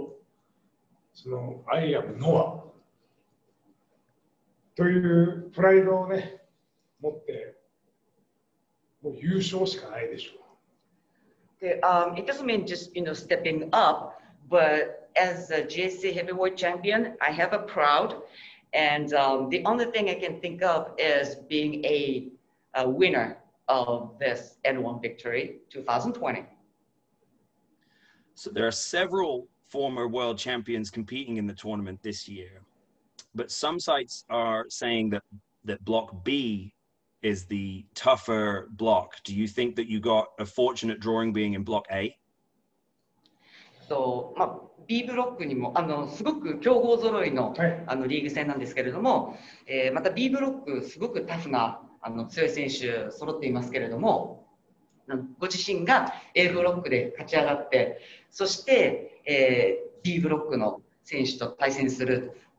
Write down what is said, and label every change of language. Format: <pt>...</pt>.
<ja>石崎選手、本当に素晴らしい選手だと思うんですけれども、今までのところこの N1ビクトリー、まだ優勝の経験がないんですけれども、ここをやっぱり優勝して、ご自身の今までのこの実績をまた一つランクを上げるというようなことを考えていらっしゃいますか？ランクを上げるというよりも、自分のGHCチャンピオンというプライドと、そのアイアムノア。</ja> <en>It doesn't mean just, you know, stepping up, but as a GHC heavyweight champion, I have a proud, and the only thing I can think of is being a winner of this N1 victory 2020. So there are several former world champions competing in the tournament this year. But some sites are saying that block B is the tougher block. Do you think that you got a fortunate drawing being in block A?</en> <ja>So, まあ B ブロックにもすごく強豪揃いのリーグ戦なんですけれども、また B ブロックすごくタフな強い選手揃っていますけれども、ご自身が A ブロックで勝ち上がって、そしてB ブロックの選手と対戦する。</ja>